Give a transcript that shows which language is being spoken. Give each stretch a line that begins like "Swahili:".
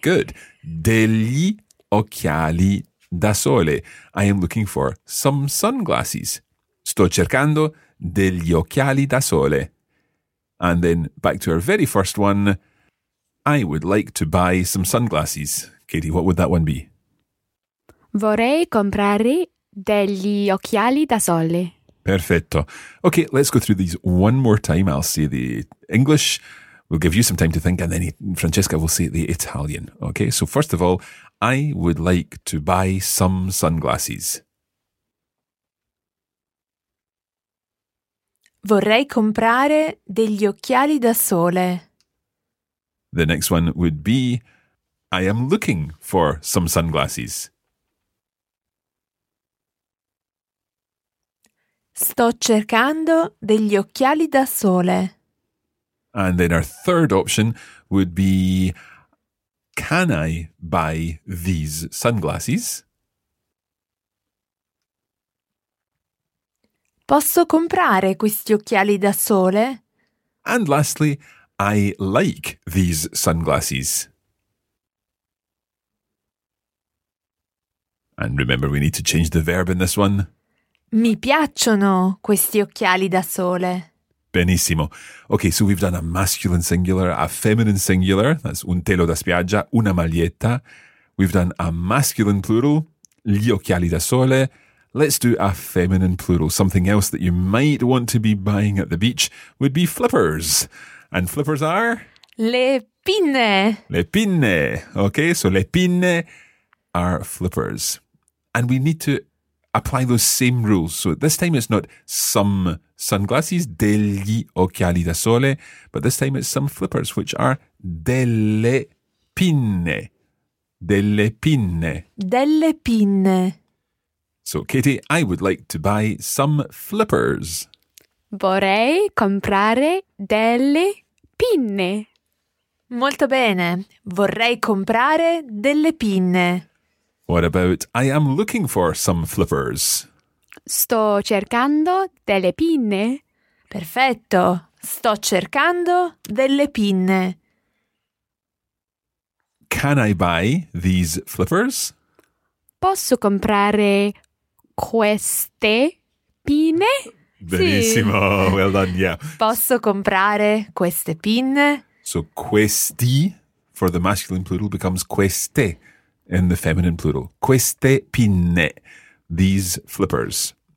English: Good.
Italian: Degli occhiali da sole.
English: I am looking for some sunglasses.
Italian: Sto cercando degli occhiali da sole.
English: And then back to our very first one. I would like to buy some sunglasses. Katie, what would that one be?
Italian: Vorrei comprare degli occhiali da sole. Perfetto.
English: Okay, let's go through these one more time. I'll say the English. We'll give you some time to think, and then Francesca will say the Italian. Okay, so first of all, I would like to buy some sunglasses.
Italian: Vorrei comprare degli occhiali da sole.
English: The next one would be, I am looking for some sunglasses.
Italian: Sto cercando degli occhiali da sole.
English: And then our third option would be, can I buy these sunglasses?
Italian: Posso comprare questi occhiali da sole?
English: And lastly, I like these sunglasses. And remember, we need to change the verb in this one.
Italian: Mi piacciono questi occhiali da sole. Benissimo.
English: Okay, so we've done a masculine singular, a feminine singular, that's un telo da spiaggia, una maglietta. We've done a masculine plural, gli occhiali da sole. Let's do a feminine plural. Something else that you might want to be buying at the beach would be flippers. And flippers are?
Italian: Le pinne. Le pinne.
English: Okay, so le pinne are flippers. And we need to apply those same rules. So this time it's not some sunglasses, degli occhiali da sole, but this time it's some flippers, which are delle pinne.
Italian: Delle pinne. Delle pinne.
English: So, Katie, I would like to buy some flippers.
Italian: Vorrei comprare delle pinne. Molto bene. Vorrei comprare delle pinne.
English: What about, I am looking for some flippers.
Italian: Sto cercando delle pinne. Perfetto. Sto cercando delle pinne.
English: Can I buy these flippers?
Italian: Posso comprare queste pinne? Benissimo. Sì.
English: Well done, yeah.
Italian: Posso comprare queste pinne?
English: So questi for the masculine plural becomes queste. In the feminine plural, queste pinne, these flippers.